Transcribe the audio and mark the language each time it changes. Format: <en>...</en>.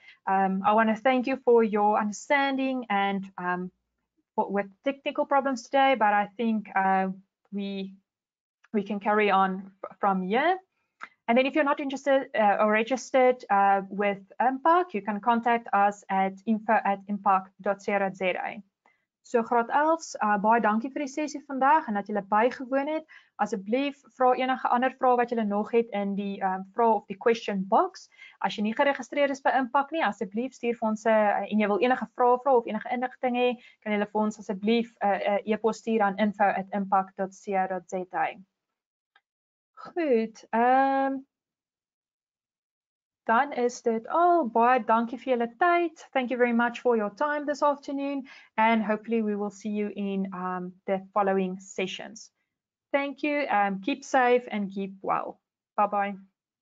<en>I want to thank you for your understanding and with technical problems today, but I think we can carry on from here. And then if you're not interested or registered with MPARC, you can contact us at info@mpark.co.za.</en> <af>So graad 11s, baie dankie vir die sessie vandag en dat julle bygewoon het. Asseblief vra enige ander vrae wat julle nog het in die vrae of die</af> <en>question box.</en> <af>As jy nie geregistreer is by MPARC nie, asseblief stuur vir ons en jy wil enige vrae vra of enige inligting hê, kan jy vir ons asseblief 'n e-pos stuur aan info@mpark.co.za. Goed. Dan is dit al. Baie dankie vir julle tyd.</af> <en>Thank you very much for your time this afternoon and hopefully we will see you in the following sessions. Thank you. Keep safe and keep well. Bye-bye.</en>